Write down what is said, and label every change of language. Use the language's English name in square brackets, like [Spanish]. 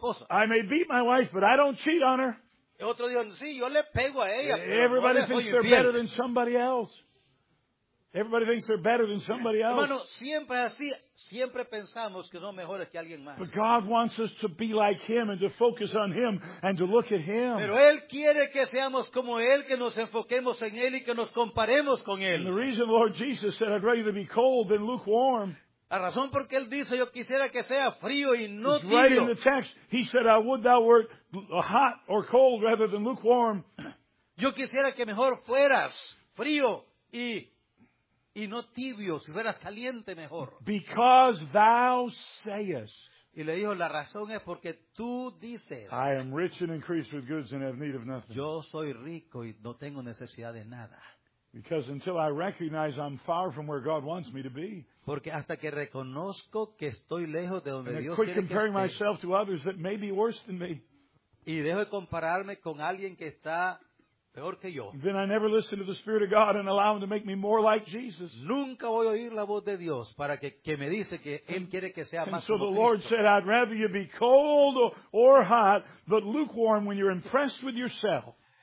[English] I may beat my wife, but I don't cheat on her. Everybody thinks they're better than somebody else. Everybody thinks they're better than somebody else. [Spanish] Hermano, siempre así, siempre pensamos que somos mejores que alguien más. [English] But God wants us to be like Him and to focus on Him and to look at Him. [Spanish] Pero Él quiere que seamos como Él, que nos enfoquemos en Él y que nos comparemos con Él. [English] And the reason the Lord Jesus said, I'd rather be cold than lukewarm. [Spanish] La razón por qué él dice yo quisiera que sea frío y no tibio. [English] Right in the text, he said, "I would thou wert hot or cold rather than lukewarm." [Spanish] Yo quisiera que mejor fueras frío y no tibio, si fueras caliente mejor. [English] Because thou sayest. [Spanish] Y le dijo, la razón es porque tú dices. [English] I am rich and increased with goods and have need of nothing. [Spanish] Yo soy rico y no tengo necesidad de nada. [English] Because until I recognize I'm far from where God wants me to be. [Spanish] Porque hasta que reconozco que estoy lejos de donde Dios quiere que esté. [English] Comparing myself to others that may be worse than me. [Spanish] Y dejo de compararme con alguien que está peor que yo. [English] Then I never listen to the Spirit of God and allow Him to make me more like Jesus. [Spanish] Nunca voy a oír la voz de Dios para que me dice que Él quiere que sea más como [English] Cristo. And so the Lord said, I'd rather you be cold or hot, but lukewarm when you're impressed with yourself.